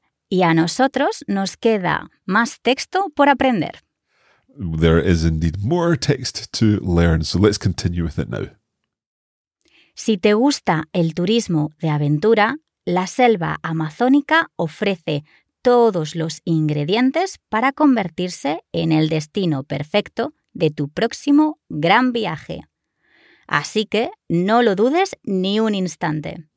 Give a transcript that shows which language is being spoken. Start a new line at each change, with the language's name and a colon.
Spanish: Y a nosotros nos queda más texto por aprender.
English: There is indeed more text to learn, so let's continue with it now.
Spanish: Si te gusta el turismo de aventura, la selva amazónica ofrece todos los ingredientes para convertirse en el destino perfecto de tu próximo gran viaje. Así que no lo dudes ni un instante.